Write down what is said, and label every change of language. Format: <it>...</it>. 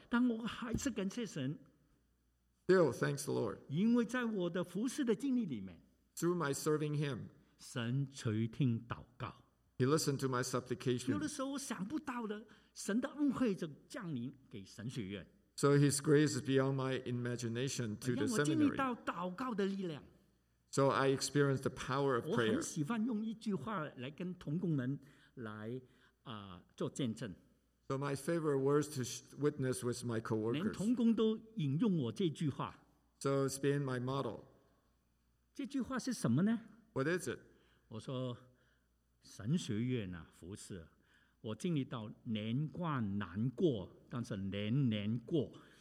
<zh>但我还是感谢神。</zh> <en>Still, thanks the Lord.</en> <zh>因为在我的服事的经历里面，</zh> <en>through my serving Him,</en> <zh>神垂听祷告，</zh> <en>He listened to my supplication.</en> <zh>有的时候我想不到的，神的恩惠就降临给神学院。</zh> <en>So His grace is beyond my imagination to the seminary.</en> <zh>让我经历到祷告的力量。</zh> <en>So I experienced the power of prayer.</en> <zh>我很喜欢用一句话来跟同工们来做见证。</zh> <en>So my favorite words to witness with my coworkers.</en> <zh>连同工都引用我这句话。</zh> <en>So it's been my model.</en> <zh>这句话是什么呢？</zh> <en>What is it?</en> <zh>我说，神学院啊，服事，我经历到年关难过，但是年年过。</zh>